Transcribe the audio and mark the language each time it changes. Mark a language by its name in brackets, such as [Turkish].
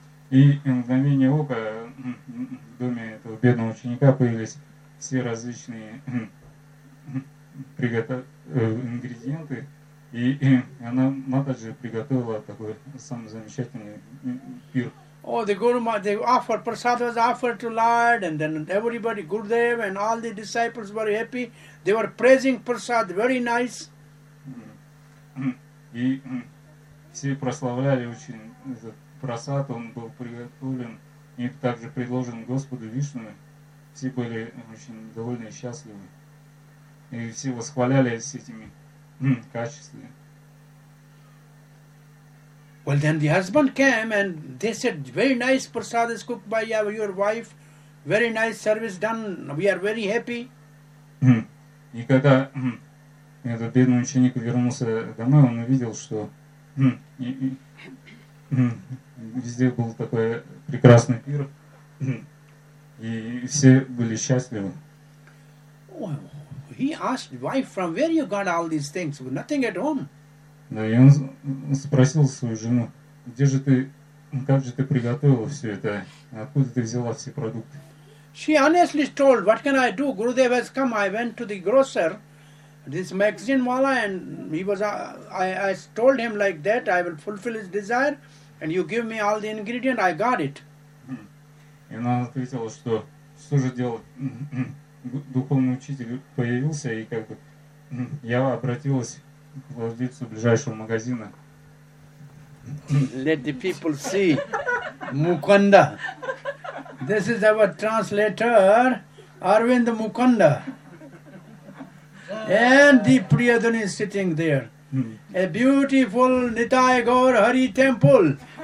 [Russian] И в мгновение ока в доме этого бедного ученика появились все различные ингредиенты. И она, Матаджи, приготовила такой самый замечательный пир. [English] Oh, the Guru Mahārāja, prasad was offered to Lord, and then everybody, Gurudev and all the disciples were happy. They were praising prasad, very nice. [Russian] И все прославляли очень этот прасад, он был приготовлен и также предложен Господу Вишну. Все были очень довольны и счастливы. И все восхвалялись этими качествами. [English] Well, then the husband came and they said, very nice prasad is cooked by your wife. Very nice service done. We are very happy. [Russian] И когда этот бедный ученик вернулся домой, он увидел, что везде был такой прекрасный пир, и все были счастливы. [English] He asked wife, from where you got all these things? Nothing at home. [Russian] Да, и он спросил свою жену, где же ты, как же ты приготовила все это, откуда ты взяла все продукты? [English] She honestly told, what can I do? Gurudev has come, I went to the grocer, this magazine wala, and he was, I told him like that, I will fulfill his desire, and you give me all the ingredients, I got it. [Russian] И она ответила, что же делать, духовный учитель появился, и как бы я обратилась к владельцу ближайшего магазина. [English] Let the people see Mukunda. This is our translator, Arvind Mukunda. And the Priyadani is sitting there. A beautiful Nitai Gaur Hari temple.